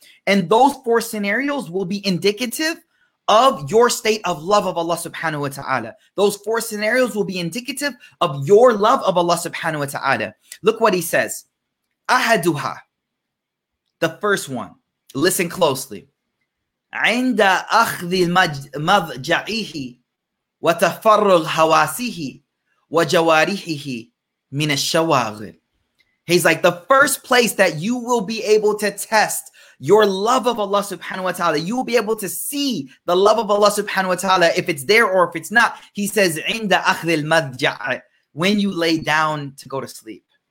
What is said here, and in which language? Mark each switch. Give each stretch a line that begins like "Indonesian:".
English: And those four scenarios will be indicative of your state of love of Allah subhanahu wa ta'ala. Those four scenarios will be indicative of your love of Allah subhanahu wa ta'ala. Look what he says. Ahaduha, the first one. Listen closely.
Arabic: عند أخذ مضجعه وتفرغ حواسه وجوارحه من الشواغل.
English: He's like, the first place that you will be able to test your love of Allah subhanahu wa ta'ala, you will be able to see the love of Allah subhanahu wa ta'ala, if it's there or if it's not, he says,
Arabic: عِنْدَ أَخْذِ الْمَذْجَعِ,
English: when you lay down to go to sleep.